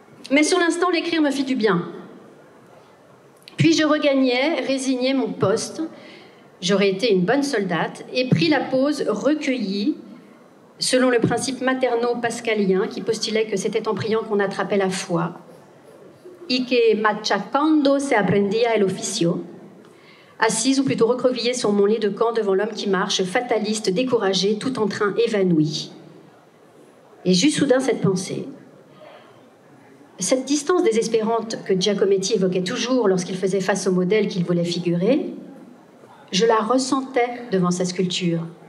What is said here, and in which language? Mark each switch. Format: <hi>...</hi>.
<fr>Mais sur l'instant, l'écrire me fit du bien. Puis je regagnais, résignais mon poste. J'aurais été une bonne soldate et pris la pose recueillie, selon le principe materno-pascalien qui postulait que c'était en priant qu'on attrapait la foi.</fr> <es>Y que machacando se aprendía el oficio.</es> <fr>Assise ou plutôt recroquevillée sur mon lit de camp devant l'homme qui marche, fataliste, découragé, tout en train évanoui. Et j'eus soudain cette pensée. Cette distance désespérante que Giacometti évoquait toujours lorsqu'il faisait face au modèle qu'il voulait figurer, je la ressentais devant sa sculpture.</fr>